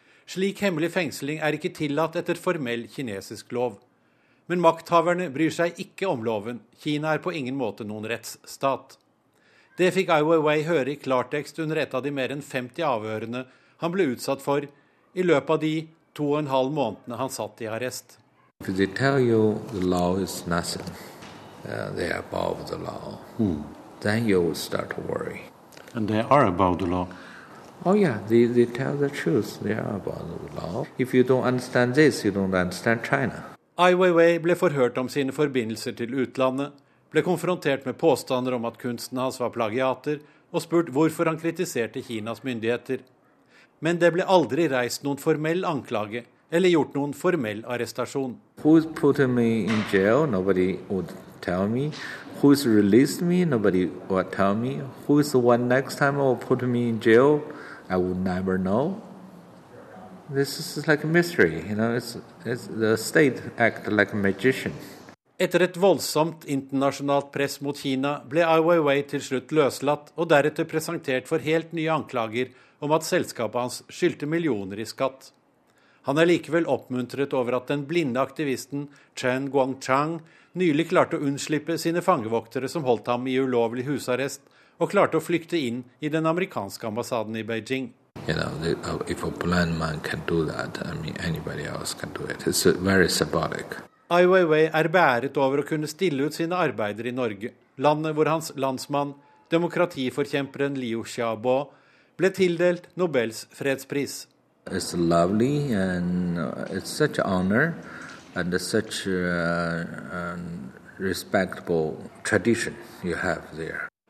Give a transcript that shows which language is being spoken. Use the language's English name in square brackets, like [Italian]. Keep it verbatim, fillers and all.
[Norwegian] Slik hemmelig fengsling er ikke tillatt etter formell kinesisk lov. Men makthaverne bryr seg ikke om loven. Kina er på ingen måte noen rettsstat. Det fikk Ai Weiwei høre i klartekst under et av de mer enn femti avhørene han ble utsatt for i løpet av de to og en halv månedene han satt i arrest. [English] If they tell you the law is nothing, uh, they are above the law, hmm. then you will start to worry. And they are above the law? Oh yeah, they, they tell the truth, they are above the law. If you don't understand this, you don't understand China. [Norwegian] Ai Weiwei ble forhørt om sine forbindelser til utlandet, ble konfrontert med påstander om at kunsten hans var plagiater, og spurt hvorfor han kritiserte Kinas myndigheter. Men det ble aldri reist noen formell anklage, eller gjort noen formell arrestasjon. [English] Who's put me in jail? Nobody would tell me. Who's released me? Nobody would tell me. Who's the one next time will put me in jail? I would never know. This is like a mystery, you know. It's, it's the state act like a magician. [Norwegian] Etter et voldsomt internasjonalt press mot Kina ble Ai Weiwei til slutt løslatt og deretter presentert for helt nye anklager om at selskapet hans skyldte millioner i skatt. Han er likevel oppmuntret over at den blinde aktivisten Chen Guangchang nylig klarte å unnslippe sine fangevoktere som holdt ham i ulovlig husarrest, og klarte å flykte inn i den amerikanske ambassaden i Beijing. [English] You know, if a blind man can do that, I mean, anybody else can do it. It's very symbolic. [Norwegian] Ai Weiwei er bæret over å kunne stille ut sine arbeider i Norge, landet hvor hans landsmann, demokratiforkjemperen Liu Xiaobo, ble tildelt Nobels fredspris. [English] It's lovely and it's such an honor and such a respectable tradition you have there.